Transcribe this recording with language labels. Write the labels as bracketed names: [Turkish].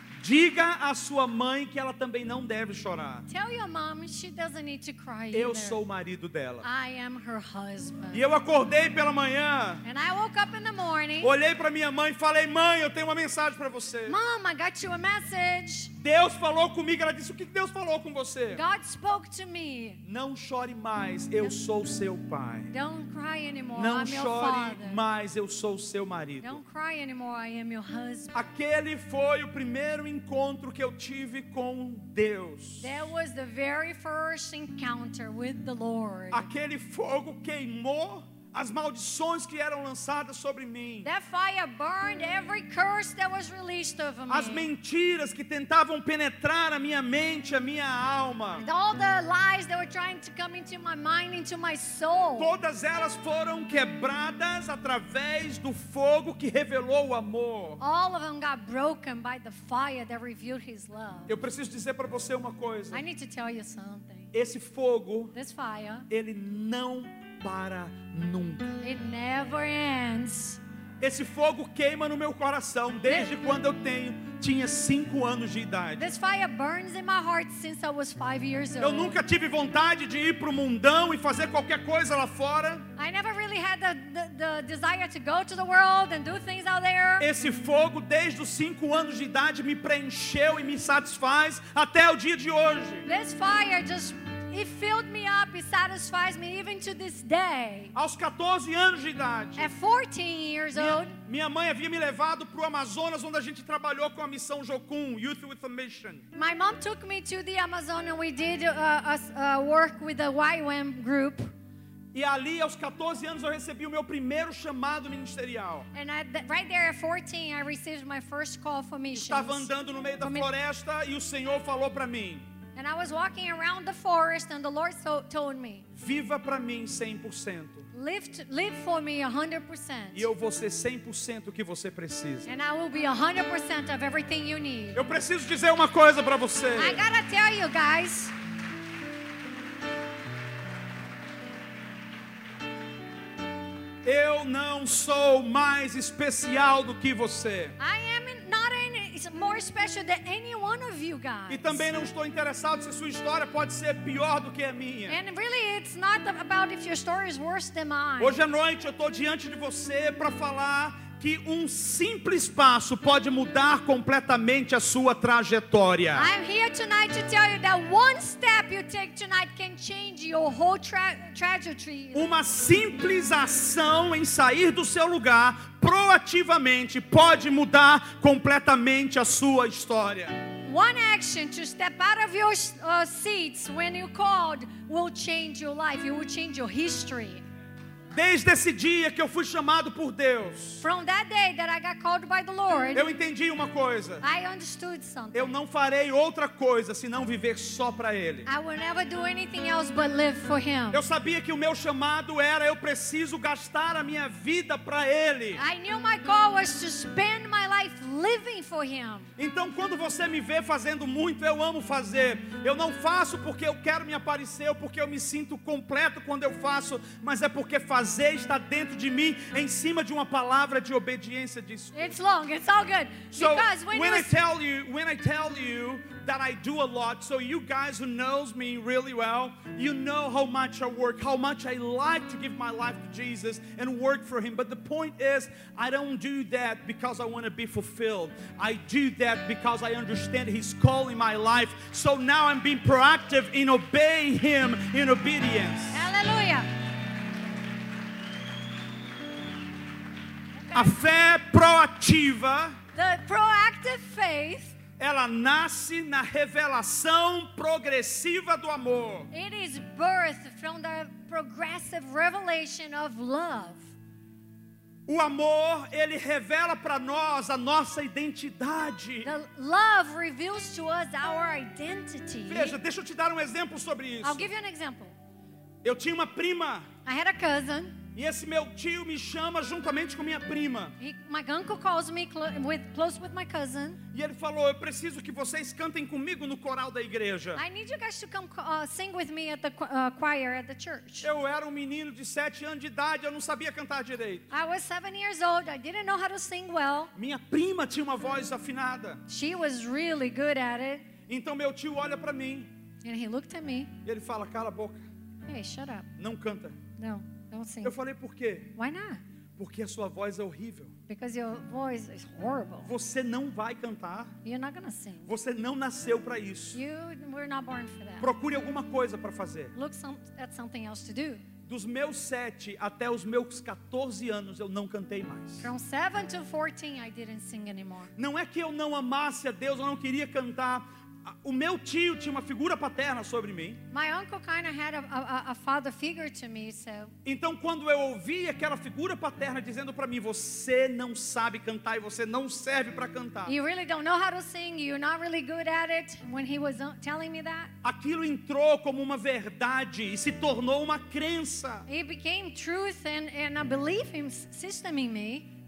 [Portuguese] diga à sua mãe que ela também não deve chorar. [English] Tell your mom she doesn't need to cry either. [Portuguese] Eu sou o marido dela. [English] I am her husband. [Portuguese] E eu acordei pela manhã. [English] And I woke up in the morning. [Portuguese] Olhei para minha mãe e falei: mãe, eu tenho uma mensagem para você. [English] Mom, I got you a message. [Portuguese] Deus falou comigo. Ela disse: o que Deus falou com você? [English] God spoke to me. [Portuguese] Não chore mais. Eu sou o seu pai. [English] Don't cry anymore. [Portuguese] Não [English] I'm [Portuguese] chore [English] your father. [Portuguese] Mais. Eu sou o seu marido. [English] Don't cry anymore. I am your husband. [Portuguese] Aquele foi o primeiro encontro que eu tive com Deus. [English] That was the very first encounter with the Lord. [Portuguese] Aquele fogo queimou as maldições que eram lançadas sobre mim. [English] That fire burned every curse that was released over me. [Portuguese] As mentiras que tentavam penetrar a minha mente, a minha alma. [English] And all the lies that were trying to come into my mind, into my soul. [Portuguese] Todas elas foram quebradas através do fogo que revelou o amor. [English] All of them got broken by the fire that revealed his love. [Portuguese] Eu preciso dizer para você uma coisa. [English] I need to tell you something. [Portuguese] Esse fogo, [English] this fire, [Portuguese] ele não para nunca. [English] It never ends. [Portuguese] Esse fogo queima no meu coração desde quando eu tinha 5 anos de idade. [English] This fire burns in my heart since I was 5 years old. [Portuguese] Eu nunca tive vontade de ir pro mundão e fazer qualquer coisa lá fora. [English] I never really had the desire to go to the world and do things out there. [Portuguese] Esse fogo desde os 5 anos de idade me preencheu e me satisfaz até o dia de hoje. [English] This fire just, it filled me up, it satisfies me even to this day. [Portuguese] Aos 14 anos de idade, [English] at 14 years old, [Portuguese] minha mãe havia me levado para o Amazonas, onde a gente trabalhou com a missão Jocum, Youth with a Mission. [English] My mom took me to the Amazon and we did a work with the YWAM group. [Portuguese] E ali, aos 14 anos, eu recebi o meu primeiro chamado ministerial. [English] And right there at 14, I received my first call for missions. [Portuguese] Estava andando no meio da floresta e o Senhor falou para mim, [English] and I was walking around the forest and the Lord told me, [Portuguese] viva para mim 100%. [English] Live for me 100%. [Portuguese] E eu vou ser 100% o que você precisa. [English] And I will be 100% of everything you need. [Portuguese] Eu preciso dizer uma coisa para você. [English] I gotta tell you guys. [Portuguese] Eu não sou mais especial do que você. [English] I am not any more special than any one of you guys. [Portuguese] E também não estou interessado se sua história pode ser pior do que a minha. [English] And really, it's not about if your story is worse than mine. [Portuguese] Hoje à noite eu estou diante de você para falar que um simples passo pode mudar completamente a sua trajetória. [English] I'm here tonight to tell you that one step you take tonight can change your whole trajectory. [Portuguese] Uma simples ação em sair do seu lugar proativamente pode mudar completamente a sua história. [English] One action to step out of your seats when you called will change your life, it will change your history. [Portuguese] Desde esse dia que eu fui chamado por Deus, [English] from that day that I got called by the Lord, [Portuguese] eu entendi uma coisa. [English] I understood something. [Portuguese] Eu não farei outra coisa senão viver só para Ele. [English] I will never do anything else but live for Him. [Portuguese] Eu sabia que o meu chamado era eu preciso gastar a minha vida para Ele. [English] I knew my call was to spend my life living for Him. [Portuguese] Então quando você me vê fazendo muito, eu amo fazer. Eu não faço porque eu quero me aparecer ou porque eu me sinto completo quando eu faço, mas é porque fazer está dentro de mim, em cima de uma palavra de obediência. Disso. [English] It's long. It's all good. So because when I tell you that I do a lot, so you guys who knows me really well, you know how much I work, how much I like to give my life to Jesus and work for Him. But the point is, I don't do that because I want to be fulfilled. I do that because I understand His call in my life. So now I'm being proactive in obeying Him in obedience. Hallelujah. [Portuguese] A fé proativa, [English] the proactive faith, [Portuguese] ela nasce na revelação progressiva do amor. [English] It is birthed from the progressive revelation of love. [Portuguese] O amor, ele revela para nós a nossa identidade. [English] The love reveals to us our identity. [Portuguese] Veja, deixa eu te dar um exemplo sobre isso. [English] I'll give you an example. [Portuguese] Eu tinha uma prima. [English] I had a cousin. [Portuguese] E esse meu tio me chama juntamente com minha prima. [English] My uncle calls me close with my cousin. [Portuguese] E ele falou: eu preciso que vocês cantem comigo no coral da igreja. [English] I need you guys to come sing with me at the choir at the church. [Portuguese] Eu era um menino de 7 anos de idade, eu não sabia cantar direito. [English] I was 7 years old, I didn't know how to sing well. [Portuguese] Minha prima tinha uma voz afinada. [English] She was really good at it. [Portuguese] Então meu tio olha para mim. [English] And he looked at me. [Portuguese] E ele fala: cala a boca. [English] Hey, shut up. [Portuguese] Não canta. [English] No. Don't sing. [Portuguese] Eu falei: por quê? [English] Why not? [Portuguese] Porque a sua voz é horrível. [English] Because your voice is horrible. [Portuguese] Você não vai cantar. [English] You're not gonna sing. [Portuguese] Você não nasceu para isso. [English] You were not born for that. [Portuguese] Procure alguma coisa para fazer. [English] Look at something else to do. [Portuguese] Dos meus 7 até os meus 14 anos eu não cantei mais. [English] From 7 to 14 I didn't sing anymore. [Portuguese] Não é que eu não amasse a Deus, eu não queria cantar. O meu tio tinha uma figura paterna sobre mim. [English] My uncle kind of had a father figure to me, so. [Portuguese] Então quando eu ouvi aquela figura paterna dizendo para mim: você não sabe cantar e você não serve para cantar. [English] You really don't know how to sing, you're not really good at it, when he was telling me that. [Portuguese] Aquilo entrou como uma verdade e se tornou uma crença. [English] It became truth and a belief system in me.